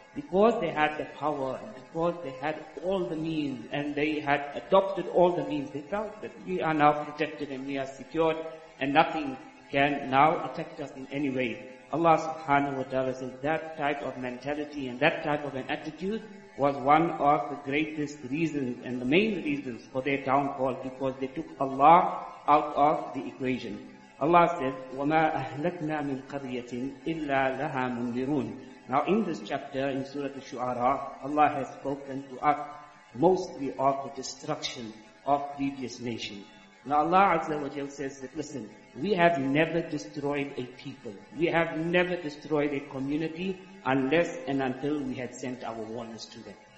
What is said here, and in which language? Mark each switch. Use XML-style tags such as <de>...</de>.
<en>Because they had the power, and because they had all the means, and they had adopted all the means, they felt that we are now protected and we are secured, and nothing can now affect us in any way. Allah subhanahu wa ta'ala says that type of mentality and that type of an attitude was one of the greatest reasons and the main reasons for their downfall, because they took Allah out of the equation. Allah says,</en> <ar>وَمَا أَهْلَكْنَا مِنْ قَرْيَةٍ إِلَّا لَهَا مُنْذِرُونَ.</ar> <en>Now in this chapter, in Surah Al-Shu'ara, Allah has spoken to us mostly of the destruction of previous nations. Now Allah Azza wa Jal says that, listen, we have never destroyed a people. We have never destroyed a community unless and until we had sent our warnings to them.</en>